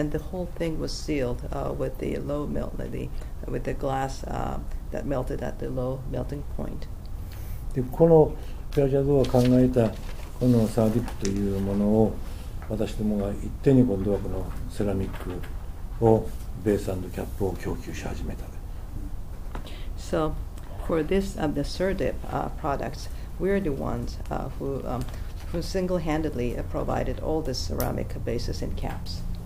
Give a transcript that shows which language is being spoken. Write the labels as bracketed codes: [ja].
[en] And the whole thing was sealed with the low melt, with the glass that melted at the low melting point. [ja] で、このフェアジャドが考えたこのサーディップというものを私どもが一定に今度はこのセラミックをベース&キャップを供給し始めた。 [en] So for this of the CERDIP products, we are the ones who single-handedly provided all the ceramic bases and caps.